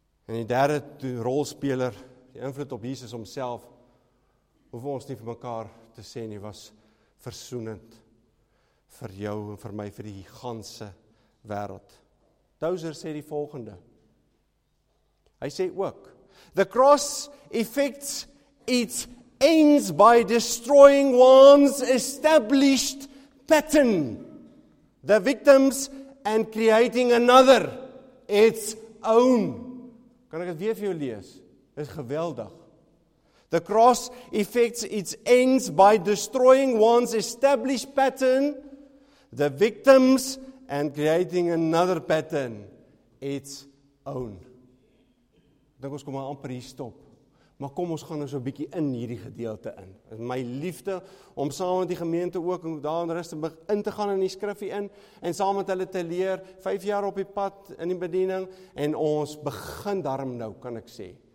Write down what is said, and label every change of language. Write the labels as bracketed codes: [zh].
[af] En die derde rolspeler, die invloed op Jesus homself, hoef ons nie vir mekaar te sê nie, was versoenend vir jou en vir my, vir die ganse wêreld. Tozer sê die volgende. [en] Hy sê ook, the cross effects its ends by destroying one's established pattern, the victims, and creating another, its own. [af] Kan ek het weer vir jou lees? Dit is geweldig. [en] The cross effects its ends by destroying one's established pattern, the victims, and creating another pattern, its own. [af] Ek dink ons kom maar amper hier stop. Maar kom, ons gaan nou so 'n bietjie in hierdie gedeelte in. My liefde om saam met die gemeente ook daar in Rustenburg in te gaan in die skrifie in en saam met hulle te leer, 5 jaar op die pad in die bediening en ons begin daarom nou, kan ek sê.